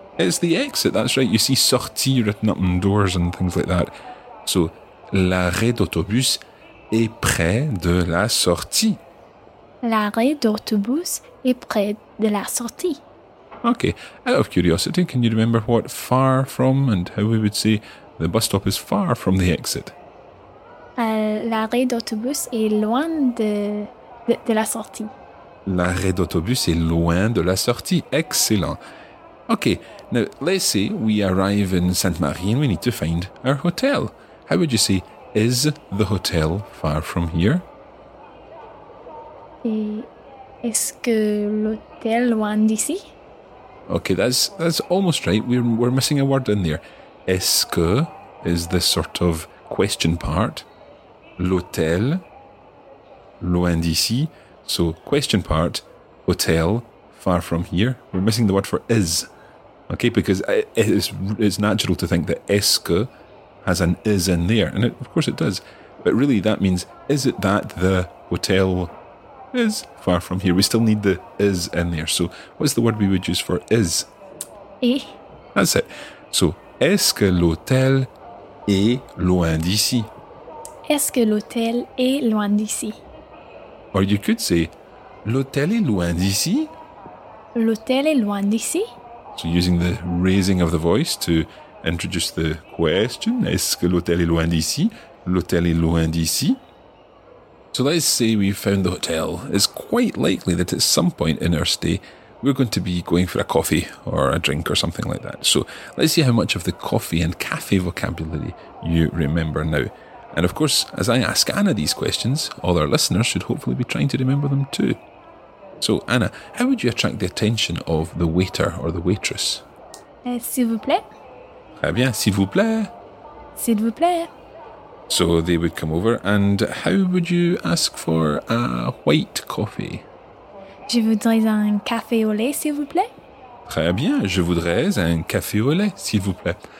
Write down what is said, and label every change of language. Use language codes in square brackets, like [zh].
[en] It's the exit, that's right. You see sortie written up on doors and things like that. [fr] So, l'arrêt d'autobus est près de la sortie. L'arrêt d'autobus est près de la sortie. [en] Okay. Out of curiosity, can you remember what far from and how we would say the bus stop is far from the exit? [fr] L'arrêt d'autobus est loin de la sortie. L'arrêt d'autobus est loin de la sortie. [en] Excellent. Okay. Now, let's say we arrive in Sainte-Marie and we need to find our hotel. How would you say, is the hotel far from here? [fr] Est-ce que l'hôtel loin d'ici? [en] Okay, that's almost right. We're missing a word in there. Est-ce que is the sort of question part. [fr] L'hôtel, loin d'ici. [en] So, question part, hotel, far from here. We're missing the word for is. Okay, because it's natural to think that est-ce que has an is in there, and it, of course it does. But really that means, is it that the hotel is far from here? We still need the is in there. So what's the word we would use for is? [fr] Et. [en] That's it. [fr] So, est-ce que l'hôtel est loin d'ici? Est-ce que l'hôtel est loin d'ici? [en] Or you could say, [fr] l'hôtel est loin d'ici? L'hôtel est loin d'ici? [en] So using the raising of the voice to introduce the question, [fr] est-ce que l'hôtel est loin d'ici? L'hôtel est loin d'ici? [en] So let's say we found the hotel. It's quite likely that at some point in our stay, we're going to be going for a coffee or a drink or something like that. So let's see how much of the coffee and cafe vocabulary you remember now. And of course, as I ask Anna these questions, all our listeners should hopefully be trying to remember them too. So Anna, how would you attract the attention of the waiter or the waitress? [fr] S'il vous plaît. Très bien, s'il vous plaît. S'il vous plaît. [en] So they would come over, and how would you ask for a white coffee? [fr] Je voudrais un café au lait, s'il vous plaît. Très bien, je voudrais un café au lait, s'il vous plaît.